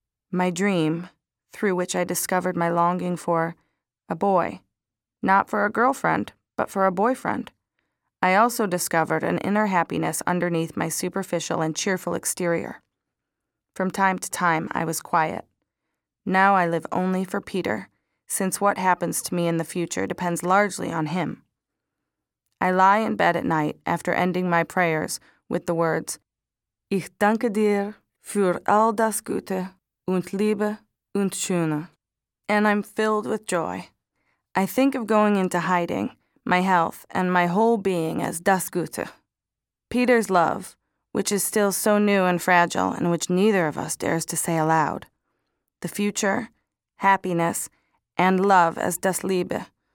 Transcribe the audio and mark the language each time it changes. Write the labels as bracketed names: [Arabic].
[English] My dream, through which I discovered my longing for a boy, not for a girlfriend, but for a boyfriend. I also discovered an inner happiness underneath my superficial and cheerful exterior. From time to time, I was quiet. Now I live only for Peter, since what happens to me in the future depends largely on him. I lie in bed at night after ending my prayers with the words, [German] Ich danke dir für all das Gute und Liebe und Schöne. [English] And I'm filled with joy. I think of going into hiding, my health, and my whole being as [German] das Gute. [English] Peter's love, which is still so new and fragile and which neither of us dares to say aloud. The future, happiness, and love as [German] das Liebe.